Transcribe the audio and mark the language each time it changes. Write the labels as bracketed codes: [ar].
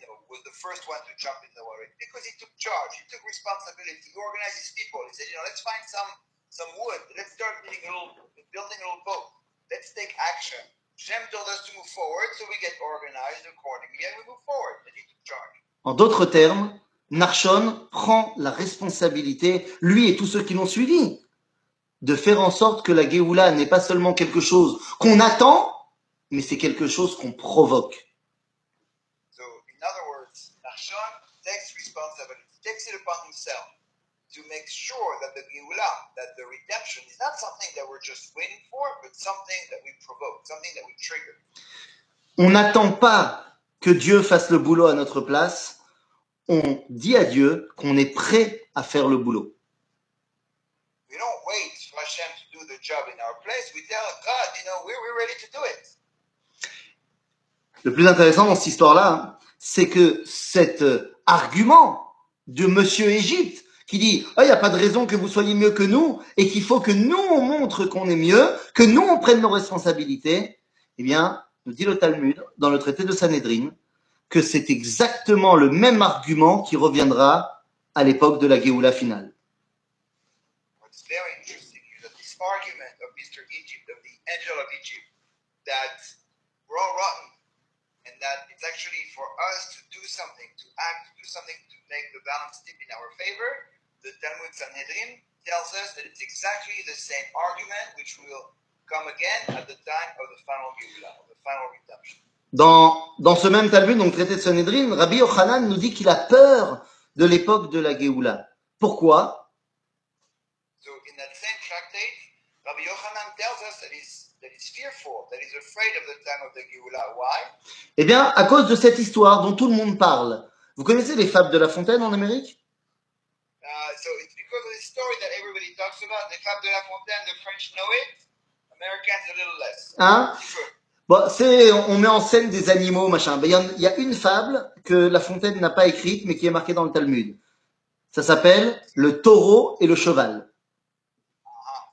[en] Was the first one to jump in the water because he took charge, he took responsibility, he organized his people. He said, you know, let's find some wood, let's start building a little boat, let's take action. Shem told us to move forward, so we get organized accordingly and we move forward. And he took charge. [fr] En d'autres termes, Nachshon prend la responsabilité, lui et tous ceux qui l'ont suivi, de faire en sorte que la Géoula n'est pas seulement quelque chose qu'on attend, mais c'est quelque chose qu'on provoque. [en] So, in other words, Nachshon takes responsibility, takes it upon himself to make sure that the Géoula, that the redemption, is not something that we're just waiting for, but something that we provoke, something that we trigger. [fr] On n'attend pas que Dieu fasse le boulot à notre place, on dit à Dieu qu'on est prêt à faire le boulot. [en] We don't wait for Hashem to do the job in our place. We tell God, you know, we're ready to do it. [fr] Le plus intéressant dans cette histoire-là, c'est que cet argument de Monsieur Égypte qui dit « Ah, il n'y a pas de raison que vous soyez mieux que nous et qu'il faut que nous, on montre qu'on est mieux, que nous, on prenne nos responsabilités », eh bien, nous dit le Talmud dans le traité de Sanhédrin, que c'est exactement le même argument qui reviendra à l'époque de la Géoula finale. [en] What's very interesting is that this argument of Mr. Egypt, of the angel of Egypt, that we're all rotten, and that it's actually for us to do something, to act, to do something to make the balance tip in our favor, the Talmud Sanhedrin tells us that it's exactly the same argument which will come again at the time of the final Géoula, of the final redemption. [fr] Dans ce même Talmud, donc traité de Sanhedrin, Rabbi Yochanan nous dit qu'il a peur de l'époque de la Géoula. Pourquoi ? [en] So in that same tractate, Rabbi Yochanan tells us that he's fearful, that he's afraid of the time of the Géoula. Why ? [fr] Eh bien, à cause de cette histoire dont tout le monde parle. Vous connaissez les fables de La Fontaine en Amérique ? [en] So it's because of this story that everybody talks about. The fables de La Fontaine, the French know it. Americans a little less. Hein ? [fr] Bon, on met en scène des animaux, machin. Il y a une fable que La Fontaine n'a pas écrite, mais qui est marquée dans le Talmud. Ça s'appelle « Le taureau et le cheval ».